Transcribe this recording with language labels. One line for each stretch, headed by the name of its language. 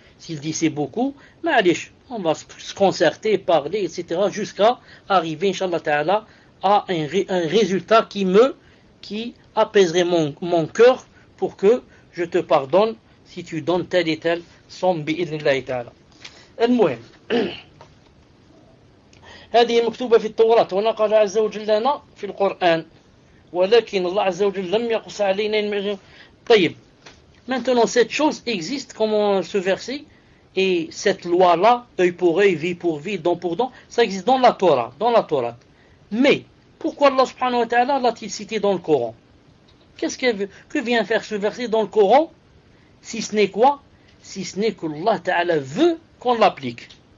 French: S'il dit c'est beaucoup, mais allez, on va se concerter, parler, etc., jusqu'à arriver, inshallah ta'ala, à un résultat qui apaiserait mon cœur pour que je te pardonne si tu donnes telle et telle somme,
Arabic: bi'idhnillahi ta'ala. Al-muhim. هذه مكتوبة في التوراة هنا قال عز وجل لنا في القرآن ولكن الله عز وجل لم يقص علينا المعجم.
French: طيب maintenant cette chose existe comment ce verset et cette loi là œil pour œil vie pour vie dent pour dent ça existe dans la Torah mais pourquoi Allah
Arabic: subhanahu wa ta'ala
French: l'a-t-il cité dans le Coran qu'est-ce qu'elle veut que vient faire ce verset dans le Coran si ce n'est quoi si ce n'est que Allah ta'ala veut qu'on l'applique.